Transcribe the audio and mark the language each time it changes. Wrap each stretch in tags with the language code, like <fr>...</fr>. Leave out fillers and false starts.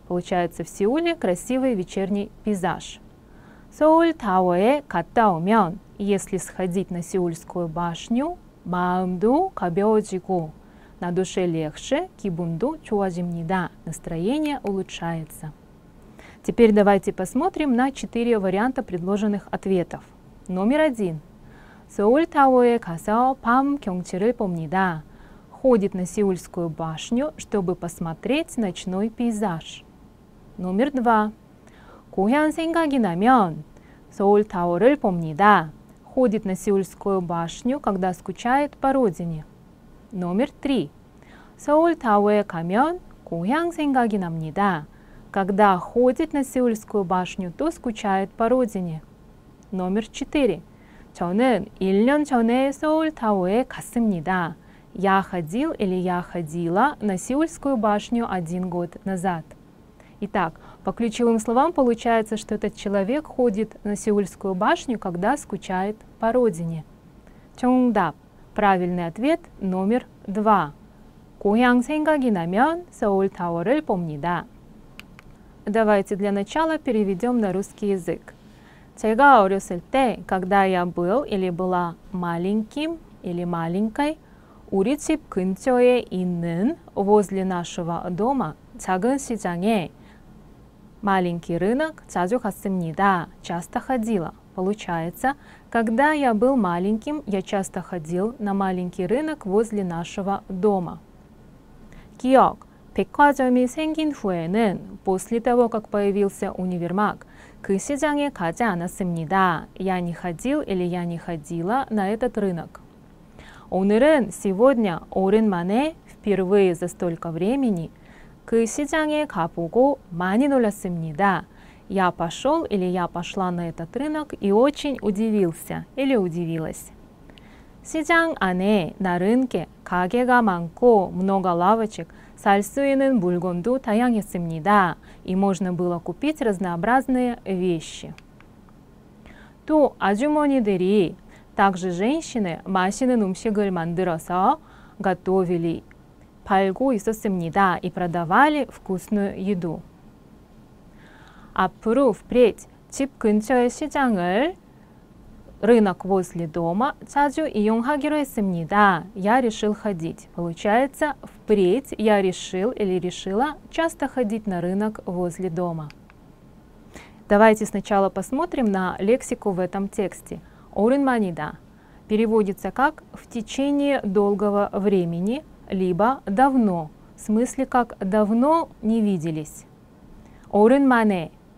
<ru>Получается, в Сеуле красивый вечерний пейзаж. Сеул Тауэ</ru> <ko>갔다 오면,</ko> <ru>если сходить на Сеульскую башню,</ru> <ko>마음도 가벼워지고,</ko> <ru>на душе легче,</ru> <ko>기분도 좋아집니다.</ko> <ru>Настроение улучшается. Теперь давайте посмотрим на четыре варианта предложенных ответов. Номер один.</ru> <ko>Сеул Тауэ 가서 밤 경치를 봅니다.</ko> <ru>Ходит на Сеульскую башню, чтобы посмотреть ночной пейзаж. Номер два.</ru> <ko>고향 생각이 나면 Сеул Тауэ를 봅니다.</ko> <ru>Ходит на Сеульскую башню, когда скучает по родине. Номер три.</ru> <ko>Сеул Тауэ 가면 고향 생각이 납니다.</ko> <ru>Когда ходит на Сеульскую башню, то скучает по родине. Номер 4.</ru> <ko>저는 1년 전에 서울 타워에 갔습니다.</ko> <ru>Я ходил или я ходила на Сеульскую башню 1 год назад. Итак, по ключевым словам получается, что этот человек ходит на Сеульскую башню, когда скучает по родине.</ru> <ko>정답.</ko> <ru>Правильный ответ номер 2.</ru> <ko>고향 생각이 나면 서울 타워를 봅니다.</ko> <ru>Давайте для начала переведем на русский язык.</ru> <ko>제가 어렸을 때,</ko> <ru>когда я был или была маленьким или маленькой,</ru> <ko>우리 집 근처에 있는,</ko> <ru>возле нашего дома,</ru> <ko>작은 시장에,</ko> <ru>маленький рынок,</ru> <ko>자주 갔습니다,</ko> <ru>часто ходила. Получается, когда я был маленьким, я часто ходил на маленький рынок возле нашего дома.</ru> <ko>기억. 백화점이 생긴 후에는,</ko> <ru>после того, как появился универмаг,</ru> <ko>그 시장에 가지 않았습니다.</ko> <ru>Я не ходил или я не ходила на этот рынок.</ru> <ko>오늘은,</ko> <ru>сегодня,</ru> <ko>오랜만에,</ko> <ru>впервые за столько времени,</ru> <ko>그 시장에 가보고 많이 놀랐습니다.</ko> <ru>Я пошел или я пошла на этот рынок и очень удивился или удивилась.</ru> <ko>시장 안에,</ko> <ru>на рынке,</ru> <ko>가게가 많고,</ko> <ru>много лавочек,</ru> <ko>살 수 있는 물건도 다양했습니다.</ko> <ru>И можно было купить разнообразные вещи.</ru> <ko>То аджумонидери,</ko> <ru>также женщины,</ru> <ko>맛있는 음식을 만들어서</ko> <ru>готовили,</ru> <ko>팔고 있었습니다.</ko> <ru>И продавали вкусную еду.</ru> <ko>앞으로</ko> <ru>впредь</ru> <ko>집 근처의 시장을,</ko> <ru>рынок возле дома,</ru> <ko>자주 이용하기로 했습니다.</ko> <ru>Я решил ходить. Получается, впредь я решил или решила часто ходить на рынок возле дома. Давайте сначала посмотрим на лексику в этом тексте. Оренманида переводится как «в течение долгого времени», либо «давно», в смысле как «давно не виделись». Оренмане.</ru>